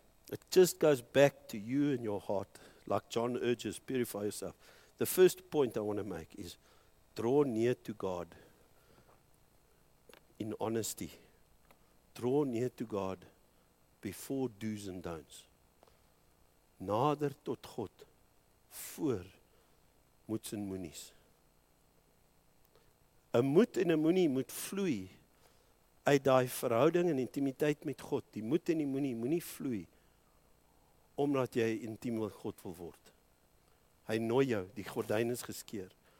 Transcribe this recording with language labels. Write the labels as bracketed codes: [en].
[en] It just goes back to you and your heart, like John urges, purify yourself. The first point I want to make is, draw near to God in honesty. Draw near to God before do's and don'ts. [af] Nader tot God, voor moets en moenies. 'n Moet en 'n moenie moet vloei uit die verhouding en intimiteit met God, die moet en die moenie, moenie vloei, omdat jy intiem met God wil word. Hy nooi jou, die gordyn is geskeer.